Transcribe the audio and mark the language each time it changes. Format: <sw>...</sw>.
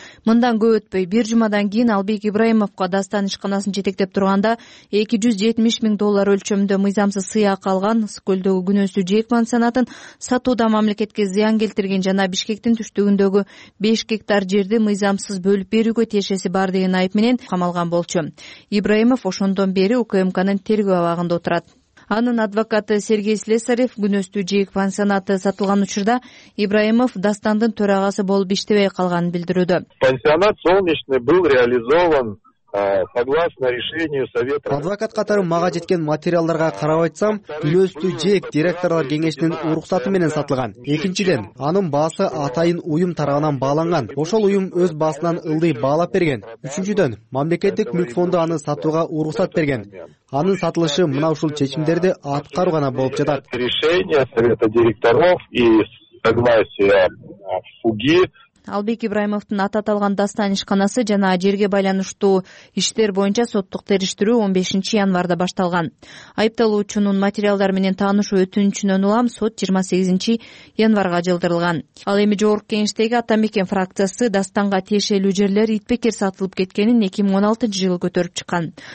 <ky>Мындан көп өтпөй бир жумадан кийин Албек Ибраимовго Дастан ишканасын жетектеп турганда $270,000 өлчөмдө мыйзамсыз сыйака алган Ысык Көлдөгү күнөстүү ЖЭК пансионатын сатууда мамлекетке зыян келтирген жана Бишкектин түштүгүндөгү 5 гектар жерди мыйзамсыз бөлүп берүүгө тиешеси бар деген айып менен камалган болчу. Ибраимов ошондон бери УКМКнын тергөө абагында отурат. Анын адвокаты Сергей Слесарев күнөстүү ЖЭК пансионаты сатылган учурда Ибраимов Дастандын төрагасы болуп иштебей калганын билдирүүдө.</ky> <ru>Пансионат Солнечный был реализован согласно решению совета.</ru> <ky>Адвокат катары мага жеткен материалдарга карап айтсам, күнөстүү ЖЭК директорлор кеңешинин уруксаты менен сатылган. Экинчиден, анын баасы атайын уюм тарабынан бааланган. Ошол уюм өз баасынан ылдый баалап берген. Үчүнчүдөн, мамлекеттик мүлк фонду аны сатууга уруксат берген. Анын сатылышы мына ушул чечимдерди аткаруу гана болуп жатат.</ky> <ru>Решение совета директоров и согласие ФУГИ</ru> <ky>Албек Ибраимовдун аты аталган дастан ишканасы жана жерге байланыштуу иштер боюнча соттук териштирүү 15-январда башталган. Айыпталуучунун материалдар менен таанышуу өтүнүчүнөн улам сот 28-январга жылдырылган. Ал эми Жогорку Кеңештеги Атамекен фракциясы дастанга тиешелүү жерлер итпекер сатылып кеткенин 2016-жылы көтөрүп чыккан.</ky>